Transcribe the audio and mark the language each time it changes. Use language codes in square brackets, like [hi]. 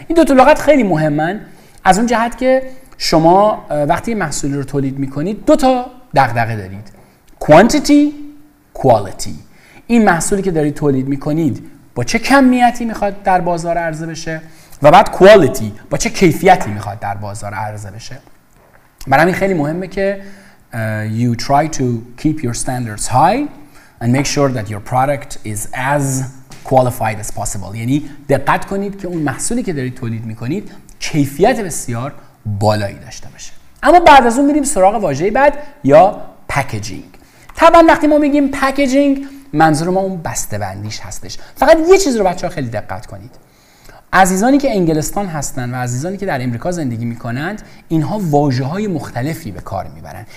[fa] این دو تا لغت خیلی مهمن از اون جهت که شما وقتی محصولی رو تولید میکنید دو تا دغدغه دارید، quantity، quality. این محصولی که دارید تولید میکنید با چه کمیتی میخواد در بازار عرضه بشه، و بعد quality با چه کیفیتی میخواد در بازار عرضه بشه. برای همین خیلی مهمه که [en] you try to keep your standards high and make sure that your product is as qualified as possible. [fa] یعنی دقت کنید که اون محصولی که دارید تولید میکنید کیفیت بسیار بالایی داشته باشه. اما بعد از اون میریم سراغ واژه بعد یا packaging. طبعا وقتی ما میگیم packaging منظور ما اون بسته‌بندیش هستش. فقط یه چیز رو بچه‌ها خیلی دقت کنید. عزیزانی که انگلستان هستن و عزیزانی که در امریکا زندگی میکنند، اینها واژه‌های مختلفی به کار میبرند.